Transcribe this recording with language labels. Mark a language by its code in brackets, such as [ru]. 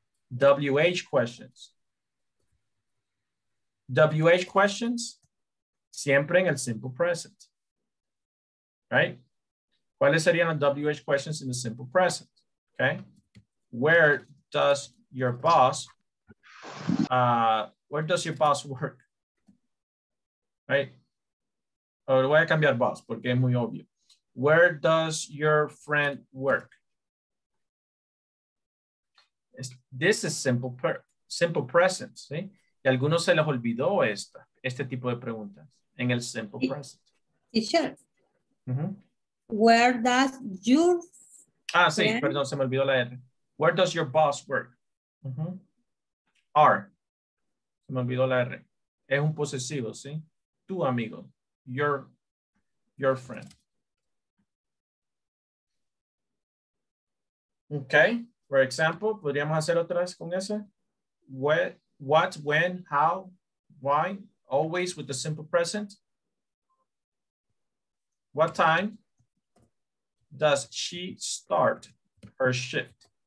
[en] WH questions. [es] WH questions, siempre en el simple present. Right? ¿Cuáles serían las WH questions en el simple present? [en] Okay, where does your boss, where does your boss work, right? [es] Voy a cambiar boss porque es muy obvio. [en] Where does your friend work? This is simple present, [es] ¿sí? Y algunos se les olvidó esta, este tipo de preguntas en el simple present. [en] Sure. Mm-hmm. Where does your [es] Ah, sí, yeah. Perdón, se me olvidó la R. [en] Where does your boss work? [es] Uh-huh. R. Se me olvidó la R. Es un posesivo, ¿sí? Tu amigo. [en] Your friend. [es] Okay. [en] For example, [es] podríamos hacer otras con ese. [en] what, when, how, why, always with the simple present. What time does she start her shift?